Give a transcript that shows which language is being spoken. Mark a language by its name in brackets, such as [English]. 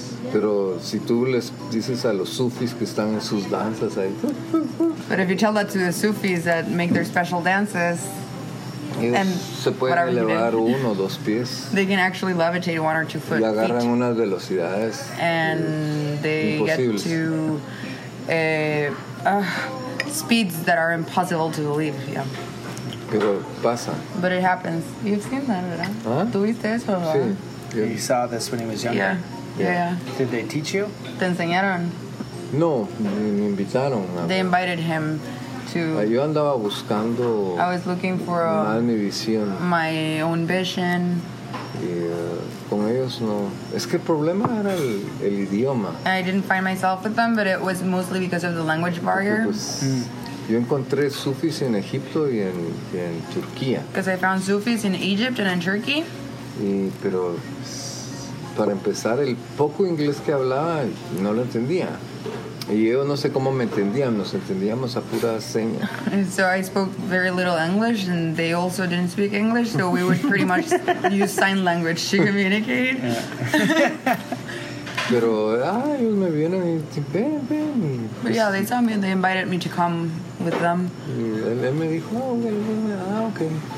[Spanish] Pero si tú les dices a los sufis que están en sus danzas ahí. [English] But if you tell that to the sufis that make their special dances, [Spanish] se pueden elevar uno o dos pies. [English] They can actually levitate 1 or 2 foot. [Spanish] Y agarran unas velocidades. [English] And they get to speeds that are impossible to believe. Yeah. [Spanish] Pero pasa. [English] But it happens. You've seen that, ¿verdad? Huh? [Spanish] ¿Tuviste eso? Sí. [English] Yeah. He saw this when he was younger. Yeah. Did they teach you? [Spanish] Te enseñaron. No, me invitaron. [English] They invited him. [Spanish] Yo andaba buscando. [English] I was looking for [Spanish] mi visión. [English] My own vision. [Spanish] Y con ellos no. Es que el problema era el idioma. [English] And I didn't find myself with them, but it was mostly because of the language barrier. [Spanish] Yo encontré sufis en Egipto y en Turquía. [English] Because I found sufis in Egypt and in Turkey. [Spanish] Y pero para empezar el poco inglés que hablaba no lo entendía. Y yo no sé cómo me entendían, nos entendíamos a pura seña. [English] So I spoke very little English, and they also didn't speak English, so we would pretty much use sign language to communicate. [Spanish] Pero, ellos me vienen y ven. [English] But yeah, they saw me, and they invited me to come with them. [Spanish] Y él me dijo, okay.